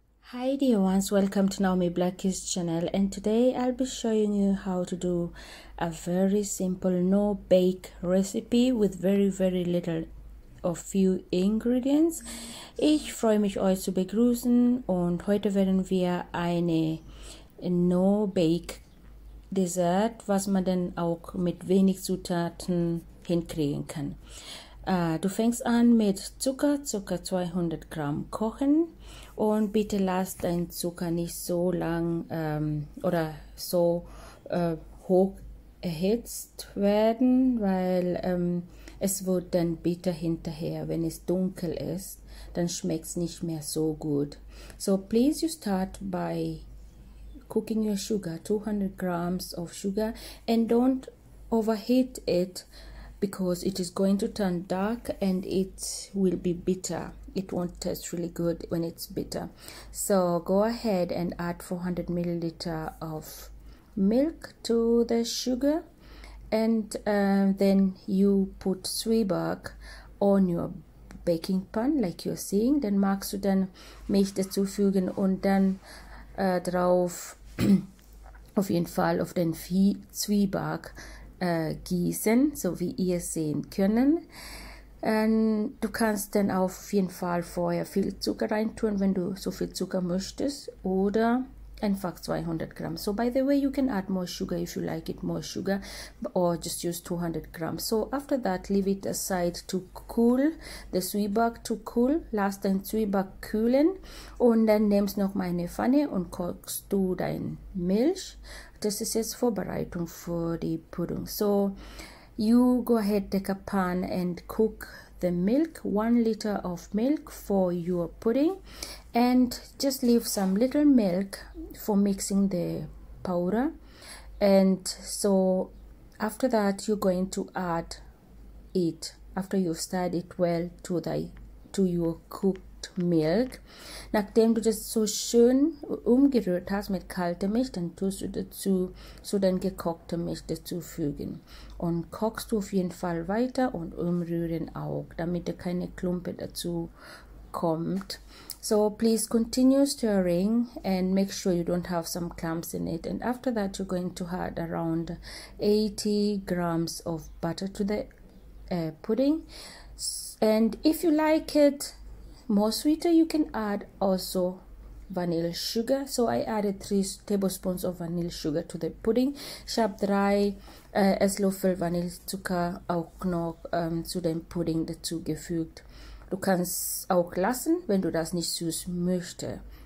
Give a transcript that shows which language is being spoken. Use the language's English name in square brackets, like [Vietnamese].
[English] Hi dear ones, welcome to Naomi Blackie's channel, and today I'll be showing you how to do a very simple no bake recipe with very little or few ingredients. [German] Ich freue mich euch zu begrüßen und heute werden wir eine no bake Dessert, was man dann auch mit wenig Zutaten hinkriegen kann. Du fängst an mit Zucker, ca. 200 Gramm kochen und bitte lass deinen Zucker nicht so lang oder so hoch erhitzt werden, weil es wird dann bitter hinterher, wenn es dunkel ist, dann schmeckt es nicht mehr so gut. [English] So please you start by cooking your sugar, 200 grams of sugar, and don't overheat it, because it is going to turn dark and it will be bitter. It won't taste really good when it's bitter. So go ahead and add 400 milliliter of milk to the sugar, and then you put Zwieback on your baking pan, like you're seeing. [German] Dann magst du dann Milch dazufügen und dann drauf auf jeden Fall auf den Zwieback gießen, so wie ihr sehen können. Du kannst dann auf jeden Fall vorher viel Zucker reintun, wenn du so viel Zucker möchtest, oder einfach 200 Gramm. [English] So by the way, you can add more sugar if you like it, more sugar, or just use 200 Gramm. So after that, leave it aside to cool, the Zwieback to cool. [German] Lass dein Zwieback kühlen und dann nimmst noch mal eine Pfanne und kochst du dein Milch. Das ist jetzt Vorbereitung für die Pudding. [English] So you go ahead, take a pan and cook the milk, 1 liter of milk for your pudding, and just leave some little milk for mixing the powder. And so after that, you're going to add it after you've stirred it well to your cooked milk. [German] Nachdem du das so schön umgerührt hast mit kalter Milch, dann tust du dazu so dein gekochte Milch dazufügen. Und kochst du auf jeden Fall weiter und umrühren auch, damit da keine Klumpe dazu kommt. [English] So please continue stirring and make sure you don't have some clumps in it. And after that, you're going to add around 80 grams of butter to the pudding. And if you like it more sweeter, you can add also vanilla sugar. So I added 3 tablespoons of vanilla sugar to the pudding. [German] Ich habe 3 Esslöffel Vanillezucker auch noch zu dem Pudding dazugefügt. Du kannst auch lassen, wenn du das nicht süß möchtest.